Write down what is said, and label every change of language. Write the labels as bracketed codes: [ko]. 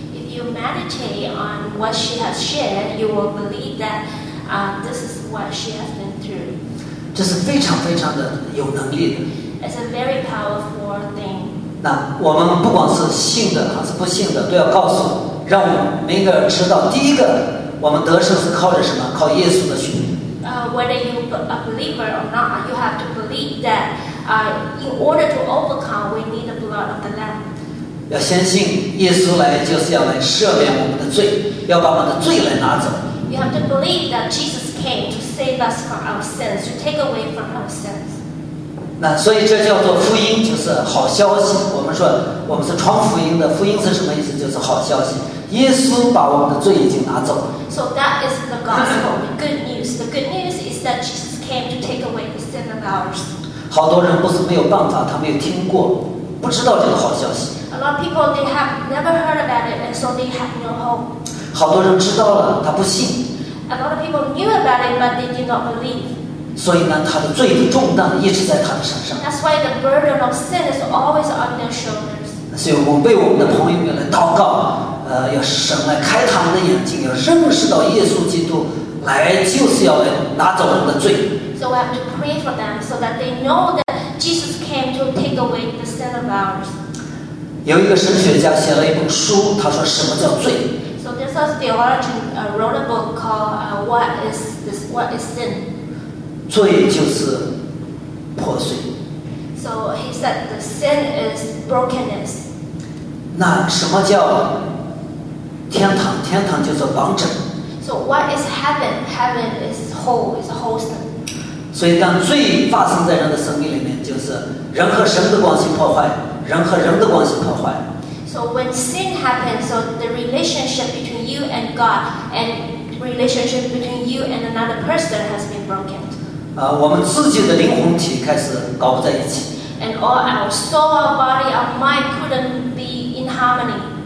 [en] You meditate on what she has shared, you will believe that this is what she has been through. [zh] 这是非常非常的有能力的。 [en] It's a very powerful thing. [zh] 那我们不管是信的还是不信的，都要告诉，让我们每个人知道，第一个，我们得胜是靠着什么？靠耶稣的血。 [en] Whether you a believer or not, you have to believe that in order to overcome, we need the blood of the Lamb. [zh] 要相信耶稣来就是要来赦免我们的罪，要把我们的罪来拿走。 [en] You have to believe that Jesus came to save us from our sins, to take away from our sins. [zh] 那所以这叫做福音，就是好消息。我们说我们是传福音的，福音是什么意思？就是好消息。耶稣把我们的罪已经拿走了。 [en] So that is the gospel, the good news. The good news is that Jesus came to take away the sin of ours. [zh] 好多人不是没有办法，他没有听过，不知道这个好消息。 [en] A lot of people, they have never heard about it, and so they have no hope. [zh] 好多人知道了，他不信。 [en] A lot of people knew about it, but they did not believe. [zh] 所以呢，他的罪的重担一直在他的身上。 [en] That's why the burden of sin is always on their shoulders. [zh] 所以我们为我们的朋友们来祷告，要神来开他们的眼睛，要认识到耶稣基督来就是要来拿走我们的罪。 [en] So we have to pray for them so that they know that Jesus came to take away the sin of ours. [zh] 有一个神学家写了一本书，他说什么叫罪。 [en] So this is the origin, wrote a book called What is Sin? [zh] 罪就是破碎。 [en] So he said the sin is brokenness. [zh] 那什么叫天堂？天堂就是完整。 [en] So what is heaven? Heaven is whole, is wholesome. [zh] 所以当罪发生在人的生命里面，就是人和神的关系破坏。人和人的关系破坏。 [en] So when sin happens, so the relationship between you and God and relationship between you and another person has been broken. [zh] 我们自己的灵魂体开始搞不在一起。 [en] And all our soul, our body, our mind couldn't be in harmony.